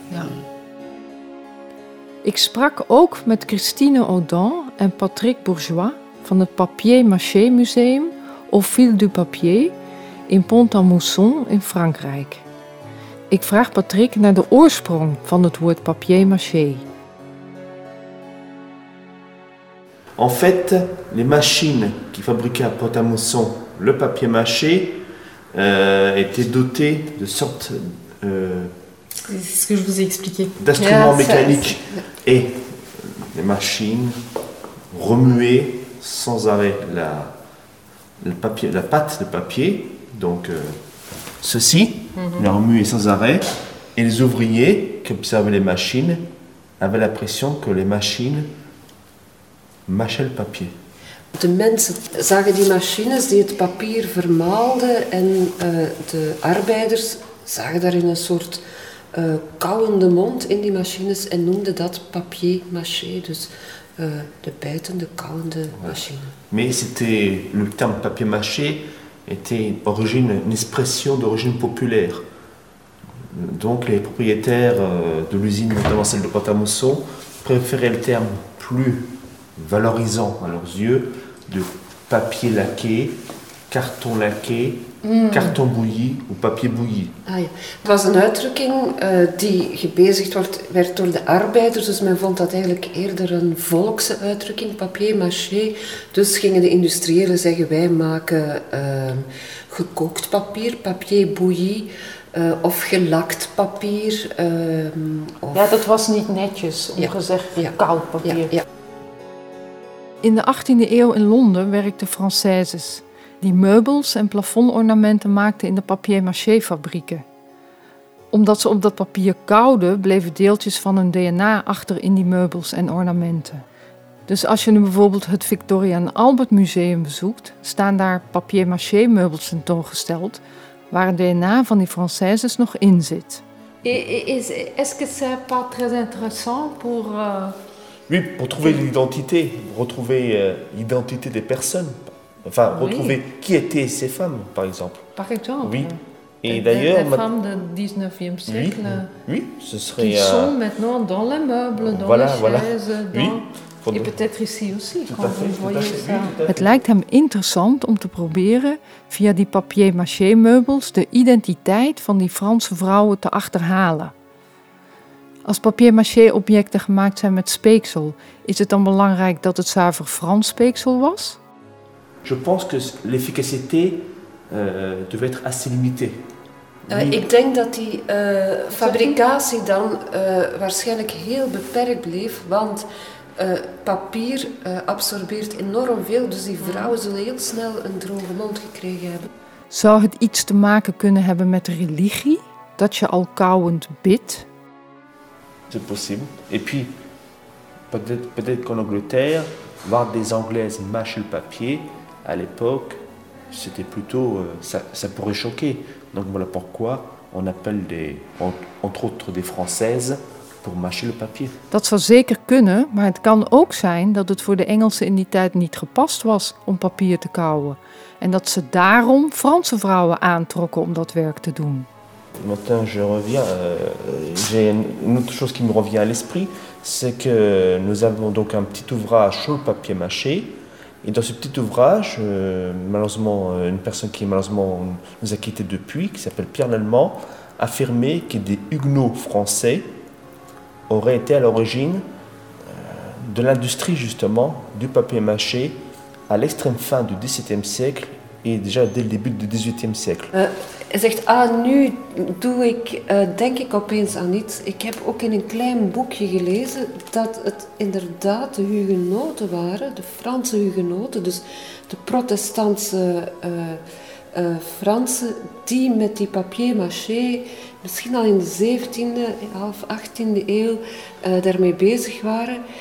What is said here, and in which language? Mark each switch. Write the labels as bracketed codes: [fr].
[nl] Ja. Ik sprak ook met Christine Audin en Patrick Bourgeois van het Papier-Mâché Museum of Fil du Papier in Pont-à-Mousson in Frankrijk. Ik vraag Patrick naar de oorsprong van het woord papier-mâché. [fr] En fait, les machines qui fabriquaient à Pont-à-Mousson le papier-mâché étaient dotées de sortes C'est ce que je vous ai expliqué. D'instruments mécaniques. Et les machines remuaient sans arrêt la pâte de papier. Donc, ceci, mm-hmm. les remuaient sans arrêt. Et les ouvriers qui observaient les machines avaient l'impression que les machines mâchaient le papier. [nl] De mensen zagen die machines die het papier vermaalden. En de arbeiders zagen daarin een soort kauwende mond in die machines en noemde dat papier mâché, dus de bijtende, kauwende machine. [fr] Mais c'était le terme papier mâché était origine une expression d'origine populaire. Donc les propriétaires de l'usine, notamment celle de Pont-à-Mousson, préféraient le terme plus valorisant à leurs yeux de papier laqué, carton laqué. Carton bouilli ou papier bouilli. [nl] Ah ja. Het was een uitdrukking die gebezigd werd door de arbeiders, dus men vond dat eigenlijk eerder een volkse uitdrukking, papier mâché. Dus gingen de industriëlen zeggen, wij maken gekookt papier, papier bouilli, of gelakt papier. Ja, dat was niet netjes, om gezegd, koud papier. Ja, ja. In de 18e eeuw in Londen werkten Françaises die meubels en plafondornamenten maakten in de papier-mâché-fabrieken. Omdat ze op dat papier kauwden, bleven deeltjes van hun DNA achter in die meubels en ornamenten. Dus als je nu bijvoorbeeld het Victoria en Albert Museum bezoekt, staan daar papier-mâché-meubels tentoongesteld, waar het DNA van die Françaises nog in zit. Is het niet heel interessant om... [fr] Oui, pour trouver l'identité, retrouver l'identité des personnes. Enfin, retrouver qui étaient ces femmes, par exemple. Par exemple. Oui. Et d'ailleurs... Les femmes du 19e siècle. Oui, oui, ce serait... Qui sont maintenant dans les meubles, dans les chaises. Dans... Oui. Et peut-être ici aussi, quand vous voyez ça. Oui, [nl] het lijkt hem interessant om te proberen, via die papier-mâché meubels, de identiteit van die Franse vrouwen te achterhalen. Als papier-mâché objecten gemaakt zijn met speeksel, is het dan belangrijk dat het zuiver Frans speeksel was? [fr] Je pense que l'efficacité devait être assez limitée. [nl] Ik denk dat die fabricatie dan waarschijnlijk heel beperkt bleef, want papier absorbeert enorm veel, dus die vrouwen zullen heel snel een droge mond gekregen hebben. Zou het iets te maken kunnen hebben met religie, dat je al kauwend bidt? [fr] C'est possible. Et puis, peut-être qu'en Angleterre, voir des Anglaises mâcher le papier, à l'époque, c'était plutôt ça pourrait choquer. Donc voilà pourquoi on appelle entre autres des Françaises pour mâcher le papier. [nl] Dat zou zeker kunnen, maar het kan ook zijn dat het voor de Engelsen in die tijd niet gepast was om papier te kauwen en dat ze daarom Franse vrouwen aantrokken om dat werk te doen. [fr] Maintenant, je reviens. J'ai une autre chose qui me revient à l'esprit, c'est que nous avons donc un petit ouvrage sur le papier mâché. Et dans ce petit ouvrage, malheureusement, une personne qui malheureusement nous a quittés depuis, qui s'appelle Pierre Lallemand, affirmait que des Huguenots français auraient été à l'origine de l'industrie justement du papier mâché à l'extrême fin du XVIIe siècle et déjà dès le début du XVIIIe siècle. [nl] Hij zegt, ah, nu doe ik, denk ik opeens aan iets. Ik heb ook in een klein boekje gelezen dat het inderdaad de Hugenoten waren, de Franse Hugenoten, dus de protestantse Fransen, die met die papier-mâché, misschien al in de 17e, half 18e eeuw, daarmee bezig waren.